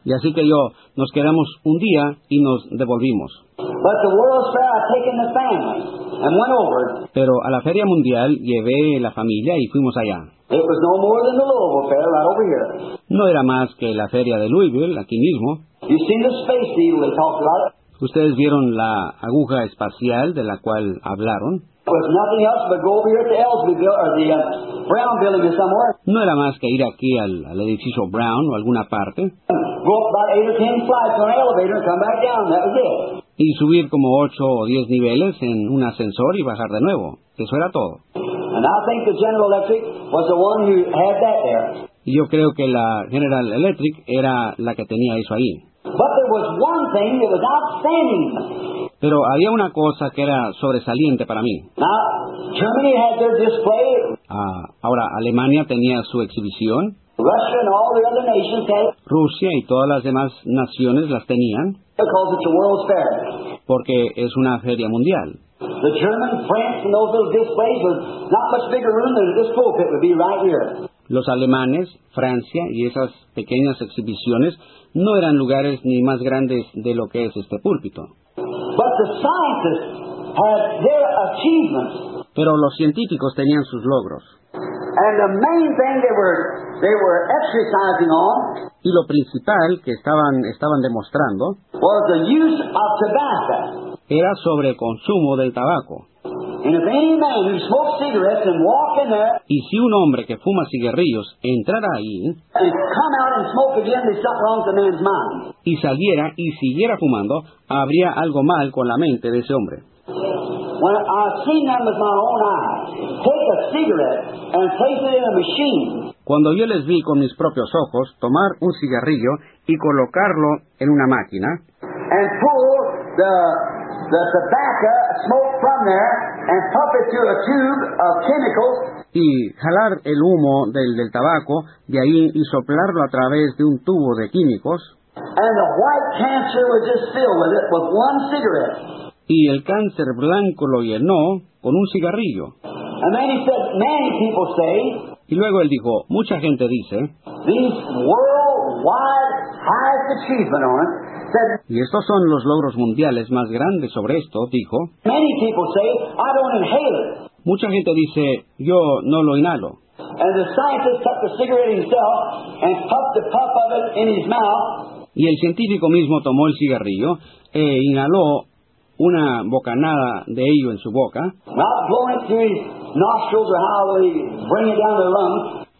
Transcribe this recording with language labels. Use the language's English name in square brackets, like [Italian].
[Spanish] Y así que yo, nos quedamos un día y nos devolvimos. [English] But the World's Fair, I've taken the family and went over. [Spanish] Pero a la Feria Mundial llevé la familia y fuimos allá. [English] It was no more than the Louisville Fair right over here. [Spanish] No era más que la Feria de Louisville, aquí mismo. [English] You've seen the space needle they talked about. [Spanish] Ustedes vieron la aguja espacial de la cual hablaron. [English] Was nothing else but go over here to Ellsbury or the Brown building or somewhere. [Spanish] No era más que ir aquí al edificio Brown o alguna parte. [English] Go up about 8 or 10 flights on an elevator and come back down. That was it. [Spanish] Y subir como 8 o 10 niveles en un ascensor y bajar de nuevo. Eso era todo. [English] And I think the General Electric was the one who had that there. [Spanish] Y yo creo que la General Electric era la que tenía eso ahí. [English] But there was one thing that was outstanding. [Spanish] Pero había una cosa que era sobresaliente para mí. [English] Now, Germany had their display. [Spanish] Ahora, Alemania tenía su exhibición. [English] Russia and all the other nations had. [Spanish] Rusia y todas las demás naciones las tenían. [English] Because it's a World's Fair. [Spanish] Porque es una feria mundial. [English] The German, France, and those little displays were not much bigger room than this pulpit would be right here. [Spanish] Los alemanes, Francia y esas pequeñas exhibiciones no eran lugares ni más grandes de lo que es este púlpito. [English] But the scientists had their achievements. [Spanish] Pero los científicos tenían sus logros. [English] And the main thing they were exercising on. [Spanish] Y lo principal que estaban demostrando [English] was the use of tobacco. [Spanish] Era sobre el consumo del tabaco. [English] And if any man who smokes cigarettes and walk in there, [Spanish] y si un hombre que fuma cigarrillos entrara ahí, [English] and come out and smoke again, there's something wrong with the man's mind. [Spanish] Y saliera y siguiera fumando, habría algo mal con la mente de ese hombre. [English] When I've seen them with my own eyes, take a cigarette and place it in a machine. [Spanish] Cuando yo les vi con mis propios ojos tomar un cigarrillo y colocarlo en una máquina, [English] and pull the tobacco smoke from there and pump it through a tube of chemicals. [Spanish] Y jalar el humo del tabaco de ahí y soplarlo a través de un tubo de químicos. [English] And the white cancer was just filled with it with one cigarette. [Spanish] Y el cáncer blanco lo llenó con un cigarrillo. [English] And then he said, many people say. [Spanish] Y luego él dijo, mucha gente dice. [English] These worldwide highest achievement on it. [Spanish] Y estos son los logros mundiales más grandes sobre esto, dijo. [English] Many people say, I don't inhale it. [Spanish] Mucha gente dice, yo no lo inhalo. [English] And the scientist took the cigarette himself and puffed the puff of it in his mouth. [Spanish] Y el científico mismo tomó el cigarrillo e inhaló una bocanada de ello en su boca. [English] Not blowing through his nostrils or how they bring it down their lungs.